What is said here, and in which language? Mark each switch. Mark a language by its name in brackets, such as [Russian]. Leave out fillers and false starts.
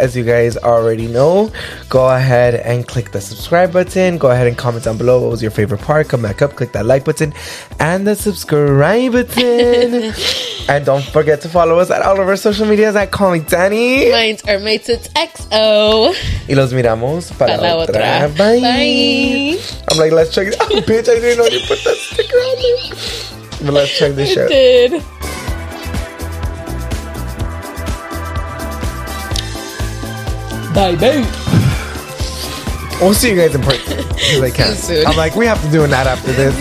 [English] As you guys already know, go ahead and click the subscribe button. Go ahead and comment down below what was your favorite part. Come back up, click that like button and the subscribe button. And don't forget to follow us at all of our social medias at Call Me Danny. Mine's Hermates, it's XO. [Spanish] Y los miramos para la otra. [English] Bye. Bye. I'm like, let's check it out. Bitch, I didn't know you put that sticker on there. But let's check this shit. Did. Bye, babe. We'll see you guys in person. Because I can't. Soon. I'm like, we have to do an ad after this.